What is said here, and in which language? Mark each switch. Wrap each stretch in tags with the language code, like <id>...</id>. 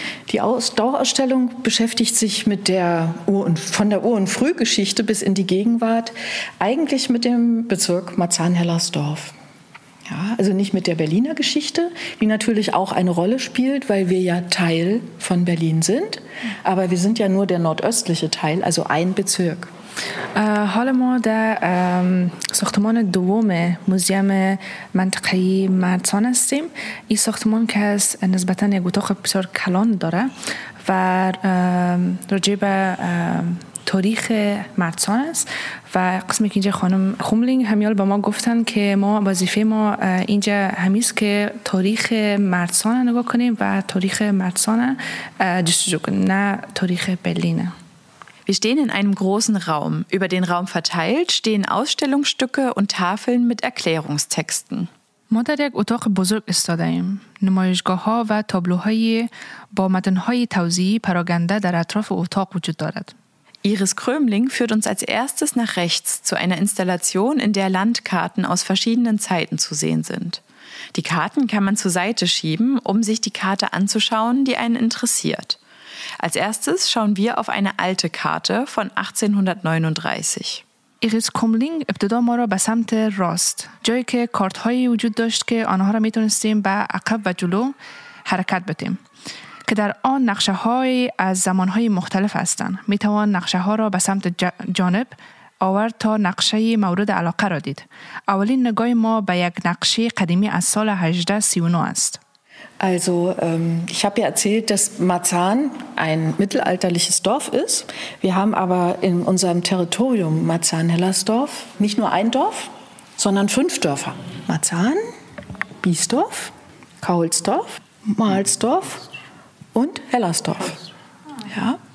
<de>Die Dauerausstellung beschäftigt sich mit der Ur- und Frühgeschichte bis in die Gegenwart, eigentlich mit dem Bezirk Marzahn-Hellersdorf. Ja, also nicht mit der Berliner Geschichte, die natürlich auch eine Rolle spielt, weil wir ja Teil von Berlin sind. Aber wir sind ja nur der nordöstliche Teil, also ein Bezirk.</de> <fa>حالا ما در ساختمان دوم موزیم منطقه‌ای مرتسان هستیم. این ساختمان که از نسبتاً یک اتاق بسیار کلان داره و راجع به تاریخ مرتسان است و قسمی که اینجا خانم خوملینگ همیال با ما گفتن که ما وظیفه ما اینجا همیست که تاریخ مرتسان نگاه کنیم و تاریخ مرتسان جستجو کنیم نه تاریخ برلین.</fa> <de>Wir stehen in einem großen Raum. Über den Raum verteilt stehen Ausstellungsstücke und Tafeln mit Erklärungstexten.</de> <fa>ما در یک اتاق بزرگ استادیم. نمایشگاه‌ها و تابلوهای با متن‌های توضیحی پراگنده در اطراف اتاق وجود دارد.</fa> <de>Iris Krömling führt uns als erstes nach rechts zu einer Installation, in der Landkarten aus verschiedenen Zeiten zu sehen sind. Die Karten kann man zur Seite schieben, um sich die Karte anzuschauen, die einen interessiert. Als erstes schauen wir auf eine alte Karte von 1839.</de> <fa>Iris Krömling ابتدا ما را به سمت راست، جایی که کارت‌هایی وجود داشت که آنها را می‌تونستیم با عقب و جلو حرکت بدیم، که در آن نقشه‌های از زمان‌های مختلف هستند. می‌توان نقشه‌ها را به سمت جانب آورد تا نقشه مورد علاقه را دید. اولین نگاه ما به یک نقشه قدیمی از سال 1839 است.</fa> <de>Also ich habe ja erzählt, dass Marzahn ein mittelalterliches Dorf ist. Wir haben aber in unserem Territorium Marzahn-Hellersdorf nicht nur ein Dorf, sondern 5 Dörfer. Marzahn, Biesdorf, Kaulsdorf, Mahlsdorf und Hellersdorf. Ja.</de>